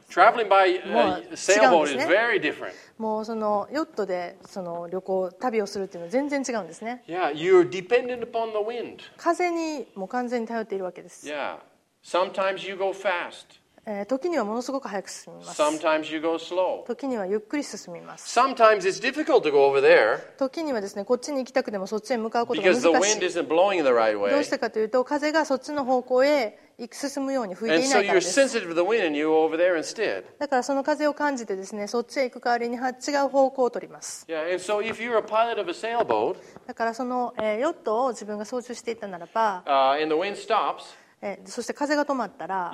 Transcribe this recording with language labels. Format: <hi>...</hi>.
<en>Traveling by sailboat is very different.</en> <ja>もうそのヨットでその旅行、旅をするっていうのは全然違うんですね。</ja> <en>Yeah, you're dependent upon the wind.</en> <ja>風にもう完全に頼っているわけです。</ja> <en>Yeah, sometimes you go fast.</en> <ja>時にはものすごく速く進みます。</ja> <en>Sometimes you go slow.</en> <ja>時にはゆっくり進みます。</ja> <en>Sometimes it's difficult to go over there.</en> <ja>時にはですね、こっちに行きたくてもそっちへ向かうことが難しい。</ja> <en>Because the wind isn't blowing the right way.</en> <ja>どうしたかというと、風がそっちの方向へ行く進むように吹いていないからです。</ja> <en>And so you're sensitive to the wind and you go over there instead.</en> <ja>だからその風を感じてですね、そっちへ行く代わりに違う方向を取ります。</ja> <en>Yeah, and so if you're a pilot of a sailboat.</en> <ja>だからそのヨットを自分が操縦していたならば、</ja> <en>and the wind stops.</en> <ja>そして風が止まったら、</ja>